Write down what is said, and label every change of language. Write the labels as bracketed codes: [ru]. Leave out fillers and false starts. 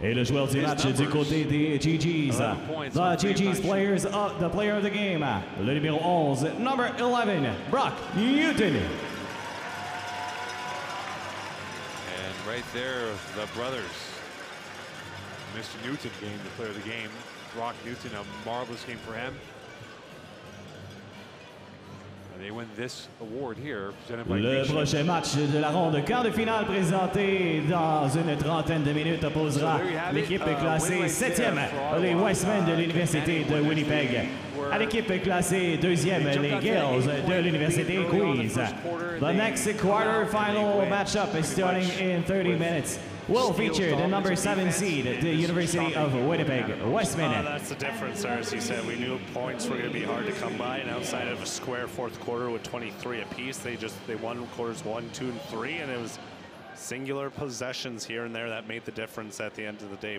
[fr] et le joueur du match du côté des GGs, [en] the GGs players, the player of the game, [fr] le numéro 11, [en] number 11, [fr] Brock Newton. [en] And right there, the brothers, Mr. Newton being the player of the game, Brock Newton, a marvelous game for him. They win this award here, presented by [fr] le prochain match de la ronde quart de finale présenté dans une trentaine de minutes opposera l'équipe classée septième, les Westmen de l'Université de Winnipeg, à l'équipe classée deuxième, les Gales de l'Université Queens. [en] The next quarterfinal matchup is starting in 30 minutes. Will feature the number 7 seed, the University of Winnipeg, Westman. That's the difference there, as you said. We knew points were going to be hard to come by, and outside of a square fourth quarter with 23 apiece, they won quarters 1, 2, and 3, and it was singular possessions here and there that made the difference at the end of the day.